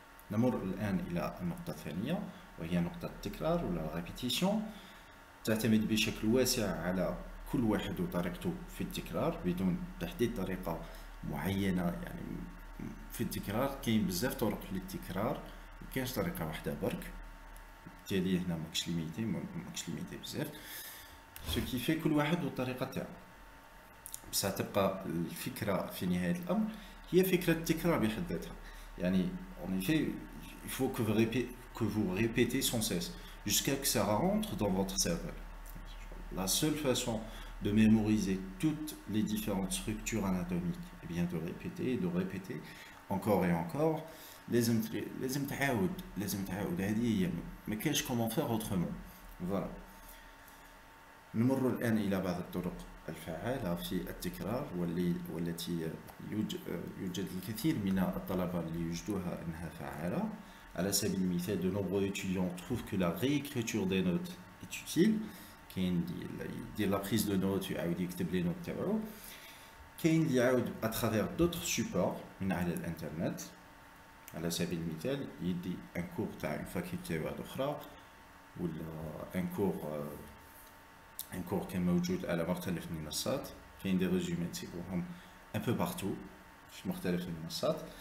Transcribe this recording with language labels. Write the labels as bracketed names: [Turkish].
[Arabic] نمر الآن إلى النقطة الثانية وهي نقطة التكرار ولا الريبيتيشن، تعتمد بشكل واسع على كل واحد وطريقته في التكرار بدون تحديد طريقة معينة. يعني في التكرار كاين بزاف طرق للتكرار، كاينش طريقة واحدة برك، بالتالي هنا ماكش ليميتي، ماكش ليميتي بزاف، سوكي في كل واحد وطريقة تاعو. ستبقى الفكرة في نهاية الأمر هي فكرة التكرار بحد ذاتها، يعني [French] en effet il faut que vous répétez sans cesse jusqu'à que ça rentre dans votre cerveau. La seule façon de mémoriser toutes les différentes structures anatomiques est bien de répéter encore et encore. [Arabic] لازم تعاود، لازم تعاود، هذه هي، ما كاينش [French] comment faire autrement. Voilà. [Arabic] نمر الآن إلى بعض الطرق الفعالة في التكرار والتي يوجد الكثير من الطلبة اللي يجدوها أنها فعالة. على سبيل المثال [French] de nombreux étudiants trouvent que la réécriture des notes est utile. [Arabic] كاين اللي يدير [French] la prise de notes [Arabic] ويعاود يكتب لي نوت تاعو، كاين اللي يعاود [French] à travers d'autres supports [Arabic] من على الانترنت على سبيل المثال يدي ان كور تاع فاكولتي واحدة أخرى، ولا ان كور [French] un cours qui est [Arabic] موجود على مختلف المنصات، كاين دي ريزومي تسيبوهم ان بو بارتو في مختلف المنصات.